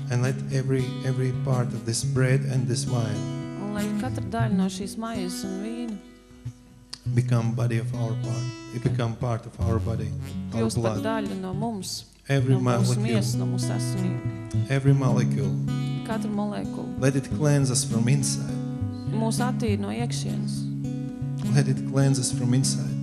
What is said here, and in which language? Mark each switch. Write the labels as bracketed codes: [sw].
[en] And let every part of this bread and this wine. [lv] Un lai katra daļa no šīs maizes un vīna [en] become body of our part. It become part of our body. [lv] Kļūst par daļu no mums. [en] Every [lv] no [en] molecule. [lv] Miesas, no mūsu asinīm. [en] Every molecule. [lv] Katra molekula. [en] Let it cleanse us from inside. [lv] Mūs attīr no iekšienes. [en] Let it cleanse us from inside.